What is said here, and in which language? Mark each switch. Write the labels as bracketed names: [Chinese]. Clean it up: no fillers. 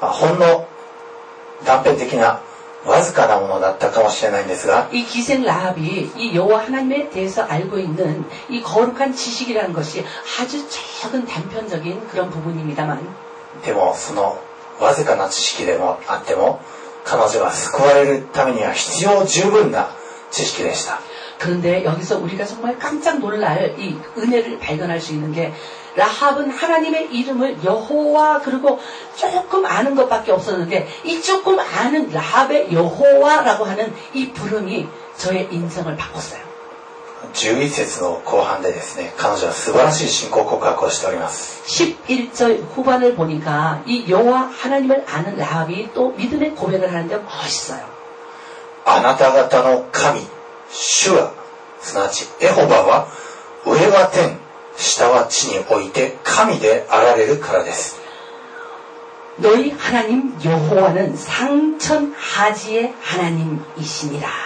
[Japanese] 彼女のこの主に対する知識はほんの断片的な わずかなものだったかもしれないんですが [Korean] 이 기생 라합이 이 여호와 하나님에 대해서 알고 있는 이 거룩한 지식이라는 것이 아주 작은 단편적인 그런 부분입니다만 [Japanese] でもそのわずかな知識でもあっても彼女が救われるためには必要十分な知識でした. [Korean] 그런데 여기서 우리가 정말 깜짝 놀랄 이 은혜를 발견할 수 있는 게 라합은 하나님의 이름을 여호와 그리고 조금 아는 것밖에 없었는데 이 조금 아는 라합의 여호와라고 하는 이 부름이 저의 인생을 바꿨어요. [Japanese] 11節の後半でですね、彼女は素晴らしい信仰告白をしております。 [Korean] 11절 후반을 보니까 이 여호와 하나님을 아는 라합이 또 믿음의 고백을 하는데 멋있어요. [Japanese] あなた方の神、主は、すなわちエホバは、上は天、下は地において神であられるからです。 [Korean] 너희 하나님 여호와는 상천 하지의 하나님이십니다.